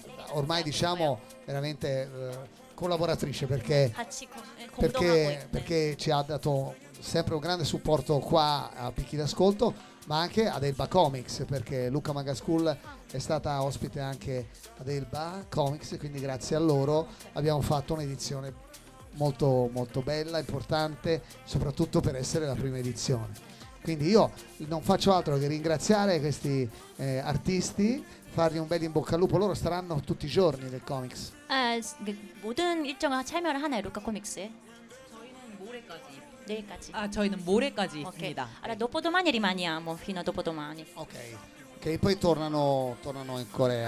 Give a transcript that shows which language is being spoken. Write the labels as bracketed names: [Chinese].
[Italian] ormai diciamo veramente collaboratrice, perché ci ha dato sempre un grande supporto qua a Picchi d'Ascolto, ma anche ad Elba Comics, perché Lucca Manga School è stata ospite anche ad Elba Comics, quindi grazie a loro abbiamo fatto un'edizione molto molto bella, importante, soprattutto per essere la prima edizione. Quindi io non faccio altro che ringraziare questi artisti, fargli un bel in bocca al lupo. Loro staranno tutti i giorni nel Comics. [Korean] 모든 일정을 참여를 하나요, 루카 코믹스에? 저희는 모레까지. 내일까지. 아, 저희는 모레까지입니다. Okay. [Italian] Allora, dopodomani rimaniamo, fino a dopodomani. Ok. Che okay, poi tornano in Corea.